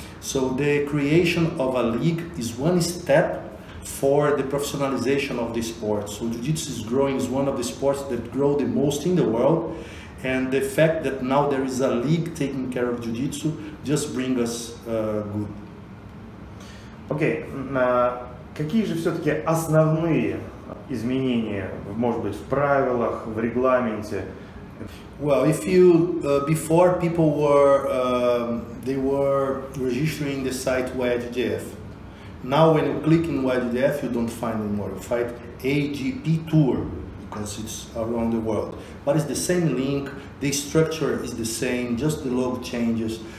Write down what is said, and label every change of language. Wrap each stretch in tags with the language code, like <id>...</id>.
<en>So the creation of a league is one step for the professionalization of the sport. So jiu-jitsu is growing, is one of the sports that grow the most in the world, and the fact that now there is a league taking care of jiu-jitsu just bring us good.</en> <ru>Okay, какие же все-таки основные изменения, может быть, в правилах, в регламенте?</ru> <en>Well, if you before people were they were registering the site YIJJF. Now when you click in YIJJF, you don't find anymore. You find AJP Tour, because it's around the world. But it's the same link, the structure is the same, just the logo changes.</en>